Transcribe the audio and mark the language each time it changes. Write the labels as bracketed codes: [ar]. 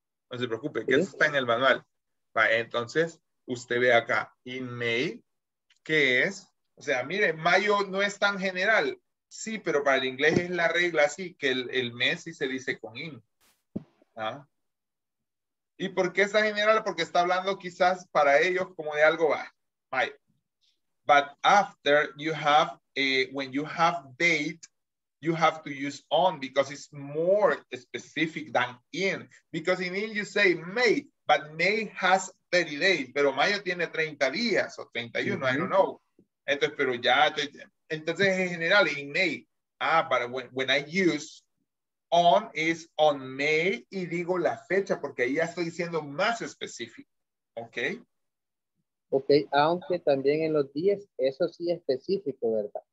[es] No se preocupe, que esto está en el manual. Vaya, entonces, usted ve acá, in May, ¿qué es? O sea, mire, mayo no es tan general. Sí, pero para el inglés es la regla así, que el mes sí se dice con in. ¿Ah? ¿Y por qué está general? Porque está hablando quizás para ellos como de algo va. [en] Bye. But after you have, when you have date, you have to use on because it's more specific than in. Because in in you say May, but May has 30 days. [es] Pero mayo tiene 30 días o 31, mm-hmm. [en] I don't know. [es] Entonces, pero ya, entonces en general, in May. Ah, [en] but when I use on is on May [es] y digo la fecha porque ahí ya estoy siendo más específico, ¿ok? Ok, aunque también en los días, eso sí es específico, ¿verdad?